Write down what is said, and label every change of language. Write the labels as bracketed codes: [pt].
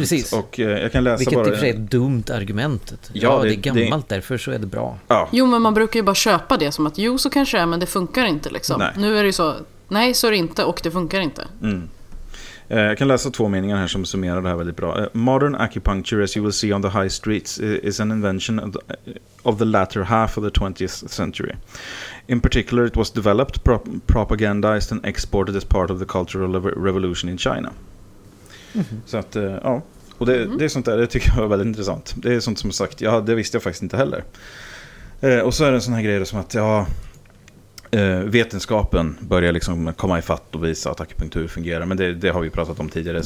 [sv] Precis. Och jag kan läsa, vilket bara, i och för sig är ett dumt argumentet. Ja, det är gammalt, därför så är det bra. Ja. Jo, men man brukar ju bara köpa det som att jo, så kanske det är, men det funkar inte liksom. Nu är det ju så, nej, så är det inte, och det funkar inte. Jag kan läsa 2 meningar här som summerar det här väldigt bra. [en] Modern acupuncture, as you will see on the high streets, is an invention of the latter half of the 20th century. In particular, it was developed, propagandized and exported as part of the cultural revolution in China. [sv] Mm-hmm. Så att, ja. Och det är sånt där, det tycker jag var väldigt intressant. Det är sånt som sagt, ja, det visste jag faktiskt inte heller. Och så är det en sån här grej som att, ja, vetenskapen börjar liksom komma i fatt och visa att akupunktur fungerar, men det har vi pratat om tidigare.